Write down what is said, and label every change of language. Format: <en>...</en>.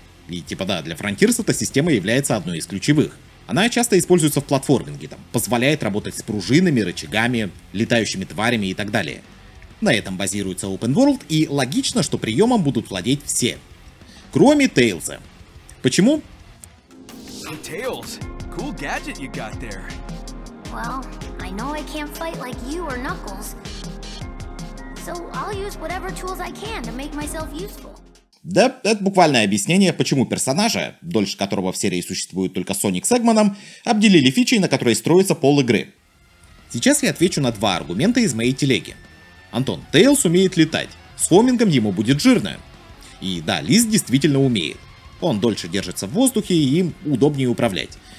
<ru>И типа да, для Frontiers эта система является одной из ключевых. Она часто используется в платформинге, там, позволяет работать с пружинами, рычагами, летающими тварями и так далее. На этом базируется Open World, и логично, что приемом будут владеть все. Кроме Тейлза. Почему?</ru> <en>Hey, Tails. Cool gadget you got there. Well, I know I can't fight like you or Knuckles. So I'll use whatever tools I can to make myself useful.</en> <ru>Да, это буквальное объяснение, почему персонажа, дольше которого в серии существует только Sonic с Эггманом, обделили фичей, на которой строится пол игры. Сейчас я отвечу на два аргумента из моей телеги. Антон, Тейлз умеет летать, с хомингом ему будет жирно. И да, Лиз действительно умеет. Он дольше держится в воздухе и им удобнее управлять.</ru>